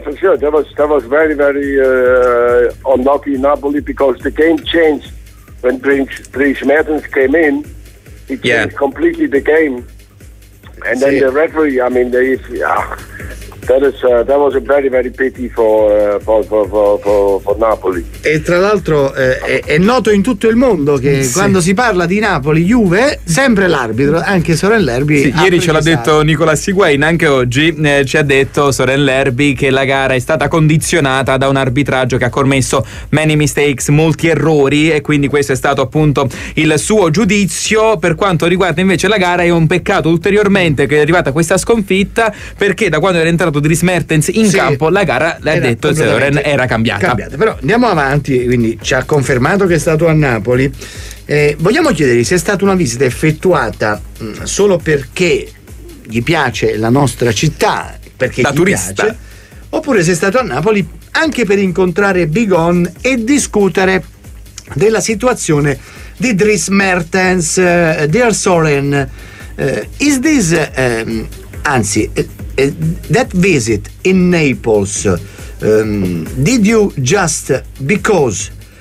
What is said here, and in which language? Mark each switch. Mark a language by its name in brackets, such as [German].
[English] That was very, very unlucky in Napoli because the game changed when Dries Mertens came in. It changed completely the game. And then the referee, I mean, that was a very, very pity for Napoli. [Italian] E tra l'altro è noto in tutto il mondo che quando si parla di Napoli, Juve, sempre l'arbitro, anche Soren Lerby. Ieri ce l'ha detto Nicolas Higuain, anche oggi ci ha detto Soren Lerby che la gara è stata condizionata da un arbitraggio che ha commesso [English] many mistakes, [Italian] molti errori, e quindi questo è stato appunto il suo giudizio. Per quanto riguarda invece la gara, è un peccato ulteriormente che è arrivata questa sconfitta, perché da quando era entrato Dries Mertens in campo la gara, le ha detto Soren, era cambiata. Però andiamo avanti, quindi ci ha confermato che è stato a Napoli. Vogliamo chiedergli se è stata una visita effettuata solo perché gli piace la nostra città, perché da gli turista. Piace, oppure se è stato a Napoli anche per incontrare Bigon e discutere della situazione di Dries Mertens. [English] Dear Soren, is this that visit in Naples, did you just because